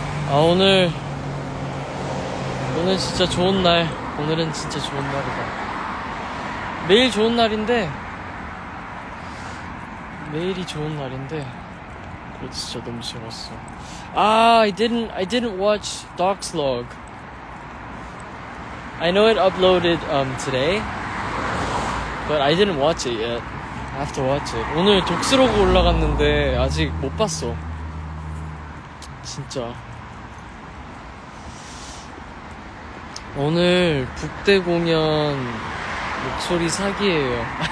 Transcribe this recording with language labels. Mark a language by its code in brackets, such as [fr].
[ko] 아, 오늘 진짜 좋은 날. 오늘은 진짜 좋은 날이다. 매일 좋은 날인데, 매일이 좋은 날인데, 그거 진짜 너무 재밌었어. [en] 아, I didn't watch Doc's log. I know it uploaded today, but I didn't watch it yet. I have to watch it. [ko] 오늘 독스로그 올라갔는데 아직 못 봤어. 진짜. 오늘 북대 공연 목소리 사기예요.